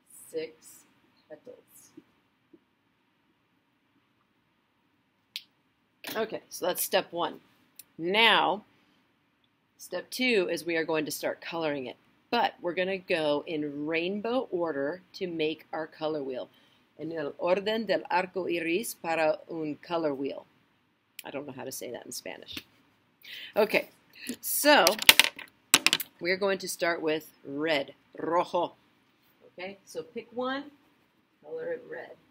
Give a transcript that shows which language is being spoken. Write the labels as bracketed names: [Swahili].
[English] Six petals. Okay, so that's step one. Now, step two is we are going to start coloring it, but we're going to go in rainbow order to make our color wheel. [Spanish] En el orden del arco iris para un [English] color wheel. I don't know how to say that in Spanish. Okay, so we're going to start with red, rojo. Okay, so pick one, color it red.